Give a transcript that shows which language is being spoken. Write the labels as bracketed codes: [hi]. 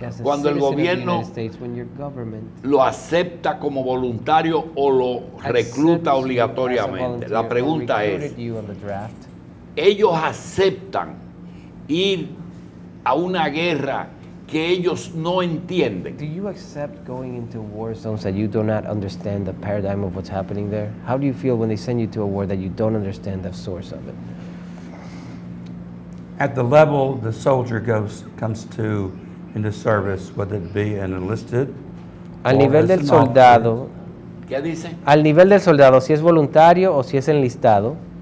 [es] Cuando el gobierno lo acepta como voluntario o lo recluta obligatoriamente. La pregunta es, ellos aceptan ir a una guerra que ellos no entienden. [en] Do you accept going into war zones that you do not understand the paradigm of what's happening there? How do you feel when they send you to a war that you don't understand the source of it? At the level the soldier goes comes to into service, whether it be an enlisted [es] al nivel del soldado, ¿qué dice? Al nivel del soldado, si es voluntario o si es enlistado.